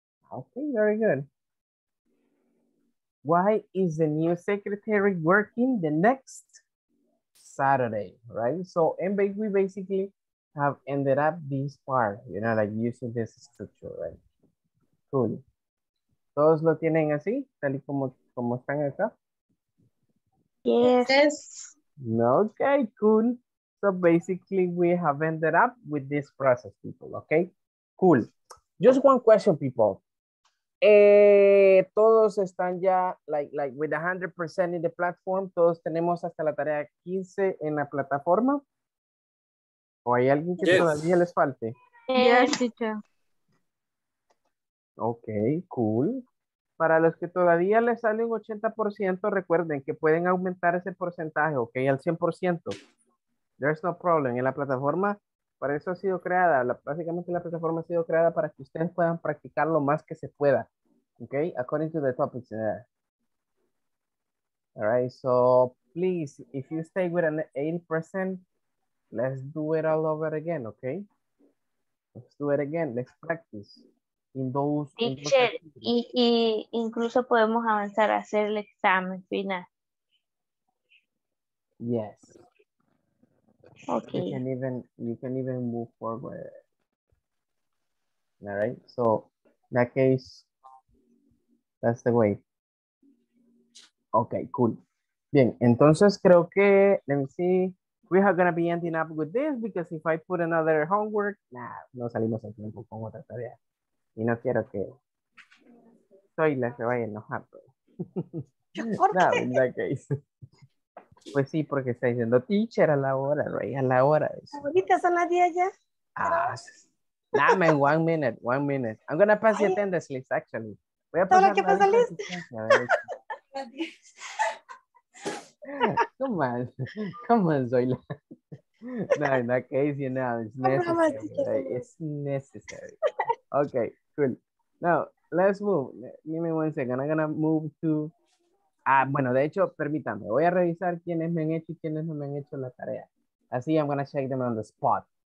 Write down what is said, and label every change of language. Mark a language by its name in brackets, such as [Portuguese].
[English] Okay, very good. why is the new secretary working the next Saturday, right? So and we basically have ended up this part, you know, like using this structure, right? Cool. [Spanish] ¿Todos lo tienen así, tal y como, como están acá? [English] Yes. Okay, cool. So basically we have ended up with this process, people, okay? Cool. Just one question, people. [Spanish] Todos están ya [English] like with 100% in the platform. [Spanish] Todos tenemos hasta la tarea 15 en la plataforma. ¿O hay alguien que [English] yes. [Spanish] todavía les falte? [English] Yes, teacher. Ok, cool. [Spanish] Para los que todavía les sale un 80%, recuerden que pueden aumentar ese porcentaje, ok, al 100%. [English] There's no problem. [Spanish] En la plataforma, para eso ha sido creada. Básicamente la plataforma ha sido creada para que ustedes puedan practicar lo más que se pueda. [English] Ok, according to the topics. Alright, so please, if you stay with an 80%, let's do it all over again, okay? Let's do it again. Let's practice in those. [Spanish] Teacher, y incluso podemos avanzar a hacer el examen final. [English] Yes. Okay. You can even move forward. All right. So in that case, that's the way. Okay. Cool. [Spanish] Bien. Entonces creo que [English] let me see. We are going to be ending up with this because if I put another homework, nah, [Spanish] no salimos a tiempo con otra tarea. Y no quiero que soy la que vaya a enojar. ¿Por qué? [English] No, in that case. [Spanish] Pues sí, porque está diciendo teacher a la hora, Ray, a la hora. Ahorita son las 10 ya. [English] Ah, [Spanish] dame [English] one minute. I'm going to pass the attendance list, actually. [Spanish] Voy a pasar la lista. [English] Come on, Zoila. No, in that case, you know, it's necessary. Right? It's necessary. Okay, cool. Now, let's move. Give me one second. I'm going to move to... [Spanish] bueno, de hecho, permítanme. Voy a revisar quiénes me han hecho y quiénes no me han hecho la tarea. Así, [English] I'm going to check them on the spot.